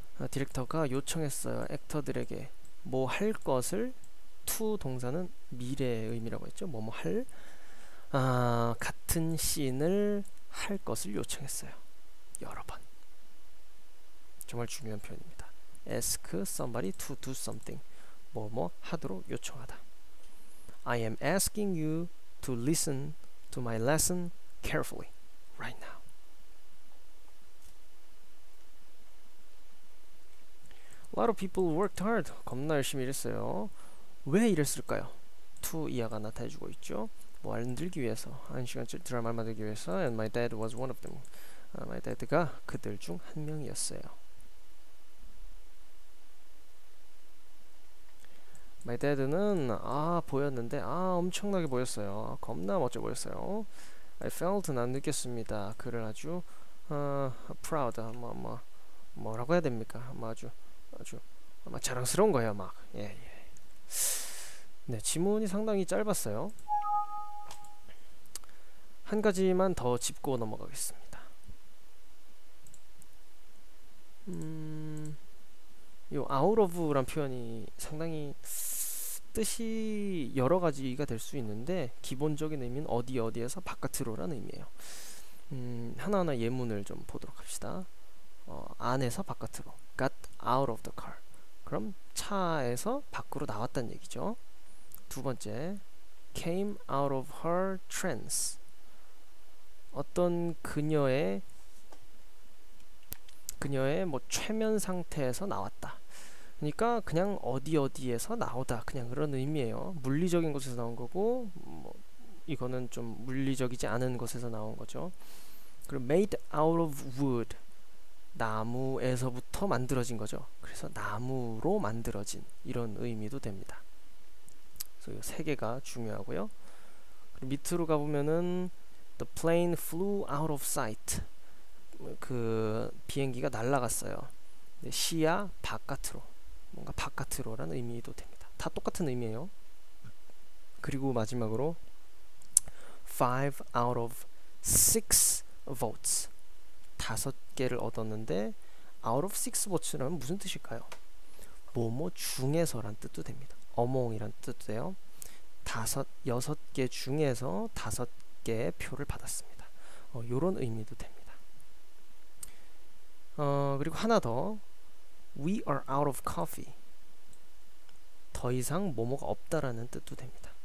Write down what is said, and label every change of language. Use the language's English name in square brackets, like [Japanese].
[Korean] 디렉터가 요청했어요. 액터들에게 뭐 할 것을 to 동사는 미래의 의미라고 했죠. 뭐뭐 할 같은 씬을 할 것을 요청했어요. 여러 번. 정말 중요한 표현입니다. [English] Ask somebody to do something. [Korean] 뭐뭐 하도록 요청하다. [English] I am asking you to listen to my lesson carefully right now. A lot of people worked hard. [Korean] 겁나 열심히 일했어요. 왜 일했을까요? To 이하가 나타내주고 있죠. 뭐 만들기 위해서. 한 시간째 드라마를 만들기 위해서. [English] And my dad was one of them. My dad [Korean] 가 그들 중 한 명이었어요. [English] My dad [Korean] 는 아 보였는데 아 엄청나게 보였어요. 겁나 멋져 보였어요. [English] I felt [Korean] 난 느꼈습니다. 그를 아주 proud 뭐라고 해야 됩니까? 아주 아마 자랑스러운 거예요, 막. 예, 예. 네, 지문이 상당히 짧았어요. 한 가지만 더 짚고 넘어가겠습니다. 요 out of란 표현이 상당히 뜻이 여러 가지가 될 수 있는데 기본적인 의미는 어디 어디에서 바깥으로라는 의미예요. 하나하나 예문을 좀 보도록 합시다. 안에서 바깥으로, [English] got out of the car. [Korean] 그럼 차에서 밖으로 나왔다는 얘기죠. 두 번째, [English] came out of her trance. [Korean] 어떤 그녀의 뭐 최면 상태에서 나왔다. 그러니까 그냥 어디 어디에서 나오다, 그냥 그런 의미예요. 물리적인 곳에서 나온 거고, 뭐 이거는 좀 물리적이지 않은 곳에서 나온 거죠. 그리고 [English] made out of wood, [Korean] 나무에서부터 만들어진 거죠. 그래서 나무로 만들어진, 이런 의미도 됩니다. 그래서 이 세 개가 중요하고요. 그리고 밑으로 가보면은 [English] the plane flew out of sight, [Korean] 그 비행기가 날아갔어요. 시야 바깥으로, 뭔가 바깥으로라는 의미도 됩니다. 다 똑같은 의미예요. 그리고 마지막으로 [English] five out of six votes, [Korean] 다섯 개를 얻었는데 out of six votes라는 무슨 뜻일까요? 뭐뭐 중에서란 뜻도 됩니다. among이란 뜻도 돼요. 다섯, 여섯 개 중에서 다섯 개의 표를 받았습니다. 이런 의미도 됩니다. 그리고 하나 더, [English] we are out of coffee, [Korean] 더 이상 뭐뭐가 없다라는 뜻도 됩니다.